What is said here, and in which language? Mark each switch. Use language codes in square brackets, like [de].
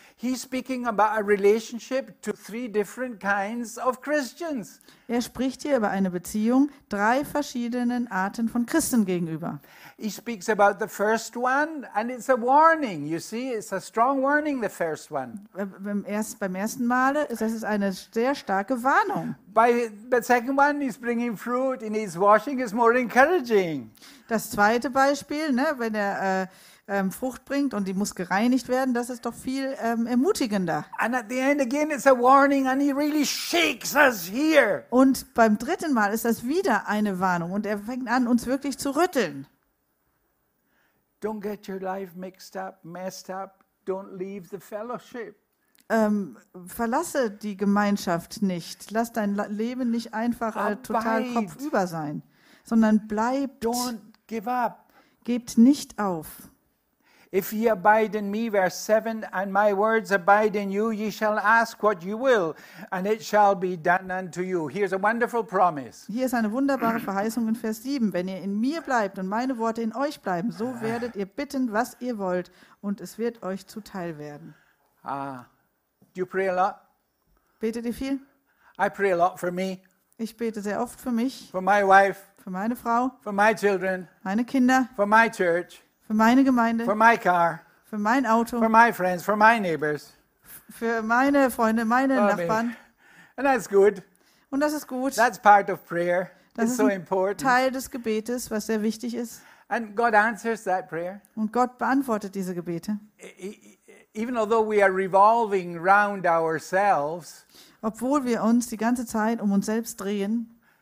[en] He's speaking about a relationship to 3 different kinds of Christians. [de] Er spricht hier über eine Beziehung 3 verschiedenen Arten von Christen gegenüber. [en] He speaks about the first one and it's a warning. You see, it's a strong warning, the first one. [de] Beim ersten Male, das ist eine sehr starke Warnung. [en] But second one is bringing fruit in his washing is more encouraging. [de] Das zweite Beispiel, ne, wenn er Frucht bringt und die muss gereinigt werden, das ist doch viel ermutigender. [en] And at the end again it's a warning and he really shakes us here. [de] Und beim dritten Mal ist das wieder eine Warnung und er fängt an uns wirklich zu rütteln. [en] Don't get your life mixed up, messed up, don't leave the fellowship. [de] Verlasse die Gemeinschaft nicht. Lass dein Leben nicht einfach total kopfüber sein, sondern bleibt. [en] Don't give up. [de] Gebt nicht auf. [en] If ye abide in me, verse 7, and my words abide in you, ye shall ask what you will, and it shall be done unto you. Here's a wonderful promise. [de] Hier ist eine wunderbare Verheißung in Vers 7. Wenn ihr in mir bleibt und meine Worte in euch bleiben, so werdet ihr bitten, was ihr wollt, und es wird euch zuteil werden. [en] Do you pray a lot? [de] Betet ihr viel? [en] I pray a lot for me. [de] Ich bete sehr oft für mich. [en] For my wife. [de] Für meine Frau. [en] For my children. [de] Meine Kinder. [en] For my church. [de] Für meine Gemeinde. [en] For my car. [de] Für mein Auto. [en] For my friends. For my neighbors. [de] Für meine Freunde, meine Nachbarn. [en] And that's good. [de] Und das ist gut. [en] That's part of prayer. [de] Das ist [en] so important. [de] Teil des Gebetes, was sehr wichtig ist. [en] And God answers that prayer. [de] Und Gott beantwortet diese Gebete. [en] Even although we are revolving round ourselves, [de] obwohl wir uns die ganze Zeit um uns selbst drehen,